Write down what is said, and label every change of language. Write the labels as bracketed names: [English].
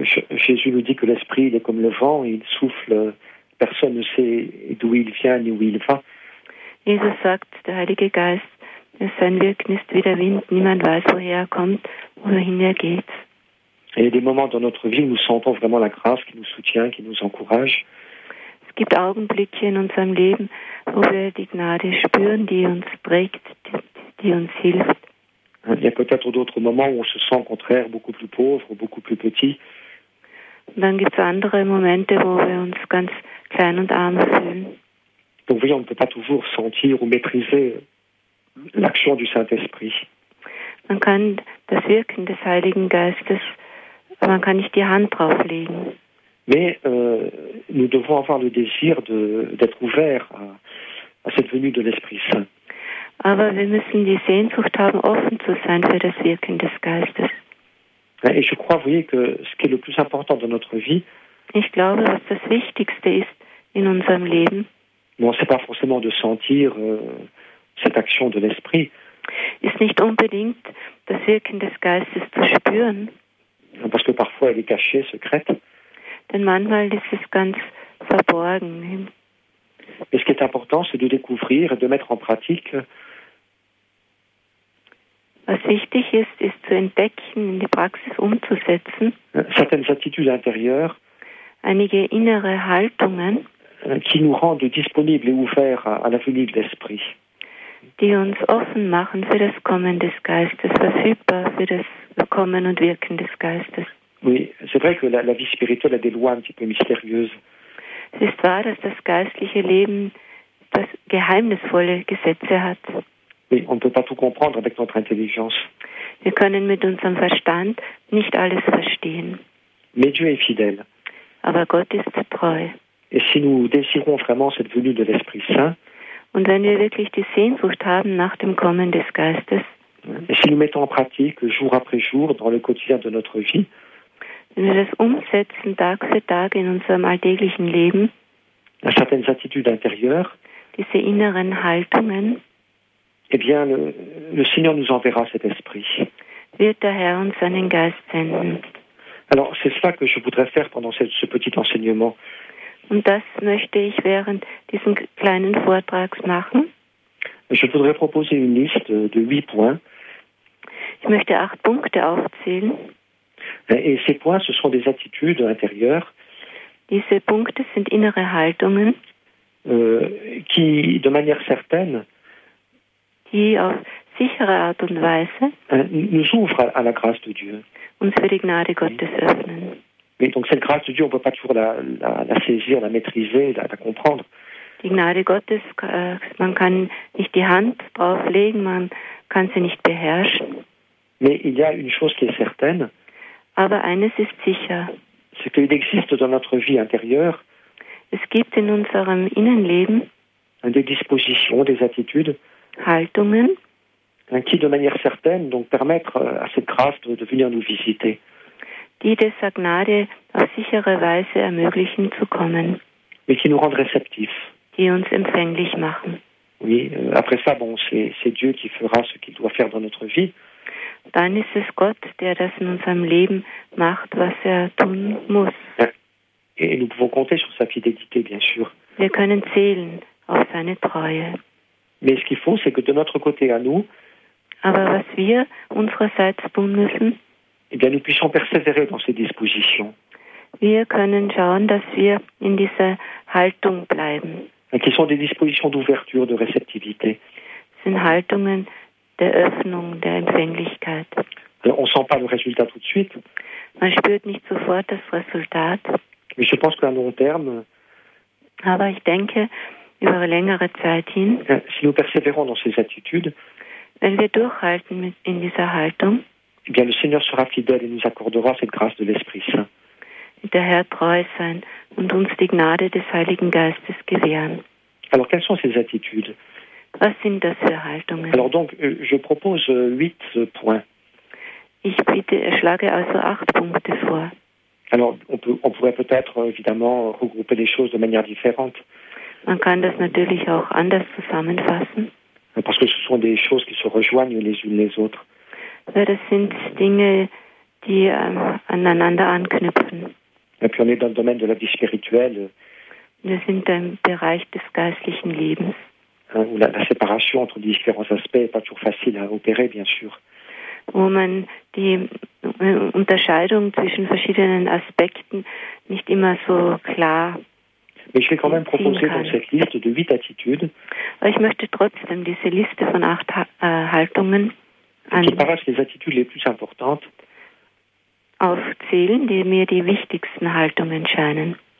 [French] Jésus nous dit que l'Esprit, il est comme le vent, il souffle, personne ne sait d'où il vient ni où il va. [German] Jesus sagt, der Heilige Geist, sein Wirken ist wie der Wind, niemand weiß, woher er kommt, wohin er geht. [French] Et il y a des moments dans notre vie où nous sentons vraiment la grâce qui nous soutient, qui nous encourage. [German] Es gibt Augenblicke in unserem Leben, wo wir die Gnade spüren, die uns prägt, die uns hilft. [French] Il y a peut-être d'autres moments où on se sent au contraire beaucoup plus pauvre, beaucoup plus petit. [German] Dann gibt es andere Momente, wo wir uns ganz klein und arm fühlen. [French] Donc oui, on ne peut pas toujours sentir ou maîtriser l'action du Saint-Esprit. [German] Man kann das Wirken des Heiligen Geistes, man kann nicht die Hand drauflegen. [French] Mais nous devons avoir le désir d'être ouverts à cette venue de l'Esprit-Saint. [German] Aber wir müssen die Sehnsucht haben, offen zu sein für das Wirken des Geistes. [French] Et je crois, vous voyez, que ce qui est le plus important dans notre vie, [German] ich glaube, was das Wichtigste ist in unserem Leben, [French] bon, c'est pas forcément de sentir cette action de l'Esprit. [German] Ist nicht unbedingt das Wirken des Geistes zu spüren. [French] Parce que parfois, elle est cachée, secrète. [German] Denn manchmal ist es ganz verborgen. [French] Mais ce qui est important, c'est de découvrir et de mettre en pratique. [German] Was wichtig ist, ist zu entdecken, in die Praxis umzusetzen. [French] Certaines attitudes intérieures. [German] Einige innere Haltungen. [French] Qui nous rendent disponibles et ouverts à la venue de l'Esprit. [German] Die uns offen machen für das Kommen des Geistes, verfügbar für das Kommen und Wirken des Geistes. [French] Oui, c'est vrai que la vie spirituelle a des lois un petit peu mystérieuses. [German] Es ist wahr, dass das geistliche Leben das geheimnisvolle Gesetze hat. [French] Oui, on ne peut pas tout comprendre avec notre intelligence. [German] Wir können mit unserem Verstand nicht alles verstehen. [French] Mais Dieu est fidèle. [German] Aber Gott ist treu. [French] Et si nous désirons vraiment cette venue de l'Esprit Saint, [German] und wenn wir wirklich die Sehnsucht haben nach dem Kommen des Geistes, [French] et si nous mettons en pratique jour après jour dans le quotidien de notre vie, [German] wenn wir das umsetzen Tag für Tag in unserem alltäglichen Leben, [French] certaines attitudes intérieures, [German] diese inneren Haltungen, [French] eh bien le Seigneur nous enverra cet esprit. [German] Wird der Herr uns seinen Geist senden. [French] Alors c'est cela que je voudrais faire pendant ce petit enseignement. [German] Und das möchte ich während diesem kleinen Vortrags machen. [French] Je voudrais proposer une liste de 8 points. [German] Ich möchte 8 Punkte aufzählen. [French] Et ces points, ce sont des attitudes intérieures. [German] Diese Punkte sind innere Haltungen. [French] Qui, de manière certaine, [German] die auf sichere Art und Weise [French] nous ouvrent à la grâce de Dieu. [German] Uns für die Gnade Gottes öffnen. [French] Mais donc cette grâce de Dieu, on ne peut pas toujours la saisir, la maîtriser, la comprendre. [German] Die Gnade Gottes, man kann nicht die Hand drauflegen, man kann sie nicht beherrschen. [French] Mais il y a une chose qui est certaine. [German] Aber eines ist sicher. [French] C'est qu'il existe dans notre vie intérieure. [German] Es gibt in unserem Innenleben. [French] Des dispositions, des attitudes. [German] Haltungen. [French] Qui, de manière certaine, donc permettre à cette grâce de venir nous visiter. [German] Die dieser Gnade auf sichere Weise ermöglichen zu kommen. [French] Mais qui nous rendent réceptifs. [German] Die uns empfänglich machen. [French] Oui, après ça, bon, c'est Dieu qui fera ce qu'il doit faire dans notre vie. [German] Dann ist es Gott, der das in unserem Leben macht, was er tun muss. [French] Et nous pouvons compter sur sa fidélité, bien sûr. [German] Wir können zählen auf seine Treue. [French] Mais ce qu'il faut, c'est que de notre côté à nous, [German] aber was wir unsererseits tun müssen, [French] eh bien, nous puissions persévérer dans ces dispositions. [German] Wir können schauen, dass wir in dieser Haltung bleiben. [French] Qui sont des dispositions d'ouverture, de réceptivité. Ce sont des [German] Haltungen der Öffnung, der Empfänglichkeit. [French] On ne sent pas le résultat tout de suite. [German] Man spürt nicht sofort das Resultat. [French] Mais je pense qu'à long terme, [German] aber ich denke, über längere Zeit hin, [French] si nous persévérons dans ces attitudes, [German] wenn wir durchhalten in dieser Haltung, [French] eh bien, le Seigneur sera fidèle et nous accordera cette grâce de l'Esprit Saint. [German] Der Herr treu sein und uns die Gnade des Heiligen Geistes gewähren. [French] Alors, quelles sont ces attitudes? [German] Was sind das für Haltungen? [French] Alors donc, je propose 8 points. [German] Ich schlage also 8 Punkte vor. [French] Alors, on pourrait peut-être, évidemment, regrouper les choses de manière différente. [German] Man kann das natürlich auch anders zusammenfassen. [French] Parce que ce sont des choses qui se rejoignent les unes les autres. [German] Ja, das sind Dinge, die aneinander anknüpfen. [French] Et puis on est dans le domaine de la vie spirituelle. [German] Wir sind im Bereich des geistlichen Lebens. [French] La séparation entre différents aspects n'est pas toujours facile à opérer, bien sûr. [German] Wo man die Unterscheidung zwischen verschiedenen Aspekten nicht immer so klar [French] Mais je vais quand même proposer dans cette liste de 8 attitudes. [German] Ich möchte trotzdem diese Liste von 8 Haltungen aufzählen, die mir die wichtigsten Haltungen scheinen.